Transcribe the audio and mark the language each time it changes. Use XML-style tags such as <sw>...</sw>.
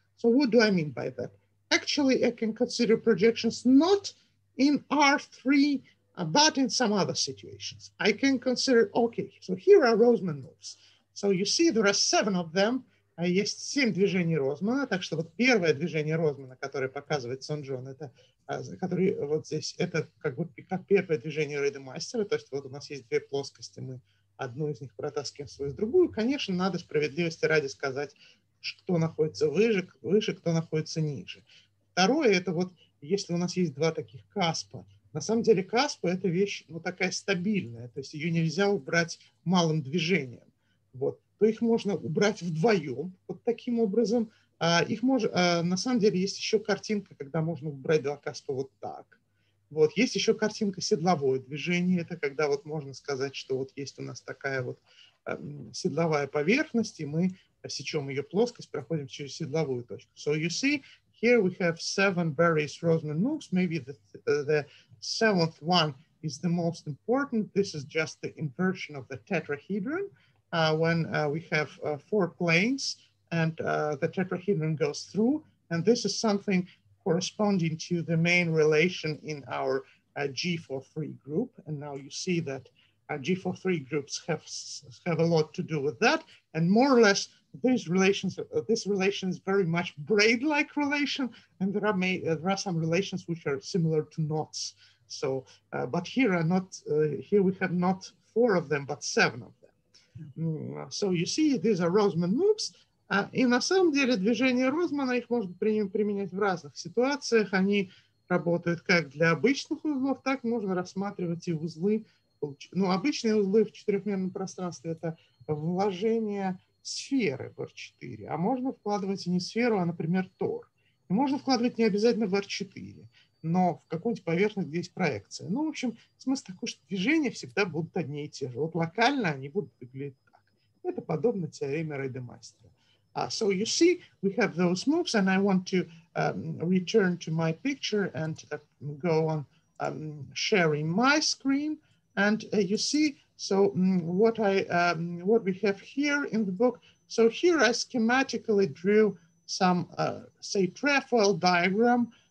<en>So what do I mean by that? Actually, I can consider projections not in R3, but in some other situations. I can consider, okay, so here are Розман moves. So you see there are seven of them.</en> <ru>Есть семь движений Розмана, так что вот первое движение Розмана, которое показывает Сон Джон, это, который вот здесь, это как бы как первое движение Рейдемайстера, то есть вот у нас есть две плоскости, мы одну из них протаскиваем в свою, в другую. Конечно, надо справедливости ради сказать, кто находится выше, кто находится ниже. Второе, это вот если у нас есть два таких каспа. На самом деле каспа — это вещь, ну, такая стабильная, то есть ее нельзя убрать малым движением. Вот. То их можно убрать вдвоем, вот таким образом. На самом деле есть еще картинка, когда можно убрать два каспа вот так. Вот. Есть еще картинка седловое движение, это когда вот можно сказать, что вот есть у нас такая вот седловая поверхность, и мы сечем ее плоскость, проходим через седловую точку.</ru> <en>So you see, here we have seven various Розман moves. Maybe the seventh one is the most important. This is just the inversion of the tetrahedron. When we have four planes and the tetrahedron goes through, and this is something corresponding to the main relation in our G43 group. And now you see that G43 groups have a lot to do with that. And more or less, this relation is very much braid-like relation, and there are some relations which are similar to knots. So, but here are not here we have not four of them, but seven of them. So you see, these are Розман moves.</en> <ru>И на самом деле движения Розмана, их можно применять в разных ситуациях. Они работают как для обычных узлов, так можно рассматривать и узлы. Ну, обычные узлы в четырехмерном пространстве — это вложение сферы в R4. А можно вкладывать и не сферу, а, например, тор. И можно вкладывать не обязательно в R4, но в какую-нибудь поверхность, где есть проекция. Ну, в общем, смысл такой, что движения всегда будут одни и те же. Вот локально они будут выглядеть так. Это подобно теореме Рейдемайстера.</ru> <en>So you see, we have those moves, and I want to return to my picture and go on sharing my screen. And you see, so what we have here in the book. So here I schematically drew some, say, trefoil diagram.</en>